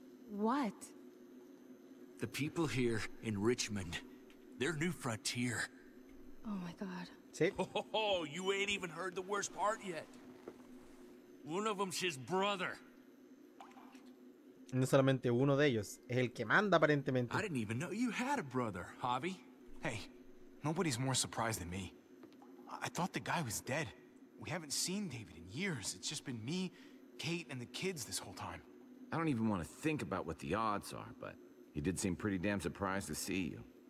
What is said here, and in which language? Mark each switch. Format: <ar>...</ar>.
<en>What? The people here in Richmond, their new frontier. Oh my God. Oh, you ain't even heard the worst part yet. One of them's his brother.</en> <es>No solamente uno de ellos, es el que manda aparentemente.</es> <en>I didn't even know you had a brother, Javi. Hey, nobody's more surprised than me. I thought the guy was dead. We haven't seen David in years. It's just been me, Kate, and the kids this whole time. I don't even want to think about what the odds are, but he did seem pretty damn surprised to see you.</en>